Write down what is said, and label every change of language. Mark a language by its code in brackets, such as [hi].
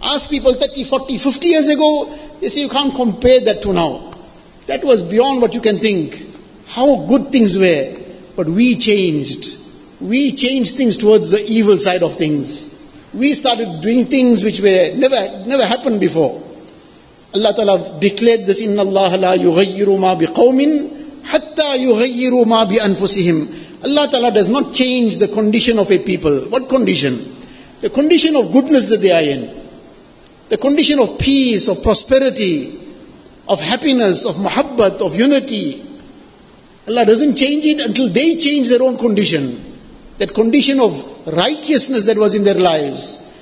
[en] Ask people 30, 40, 50 years ago, they say you can't compare that to now. That was beyond what you can think. How good things were. But we changed. We changed things towards the evil side of things. We started doing things which were never happened before. Allah Ta'ala declared this, [ar] إِنَّ اللَّهَ لَا يُغَيِّرُوا مَا بِقَوْمٍ حَتَّى يُغَيِّرُوا مَا بِأَنفُسِهِمْ. [en] Allah Ta'ala does not change the condition of a people. What condition? The condition of goodness that they are in. The condition of peace, of prosperity, of happiness, of muhabbat, of unity. Allah doesn't change it until they change their own condition. That condition of righteousness that was in their lives.